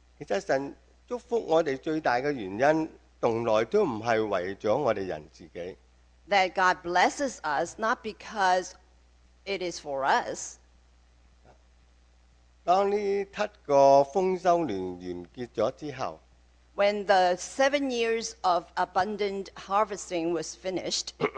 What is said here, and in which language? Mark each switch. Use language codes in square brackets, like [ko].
[zh] 其实神祝福我们最大的原因，从来都不是为了我们人自己。 [en] That God blesses us not because it is for us. [zh] 当这七个丰收年完结了之后， [en] When the 7 years of abundant harvesting was finished,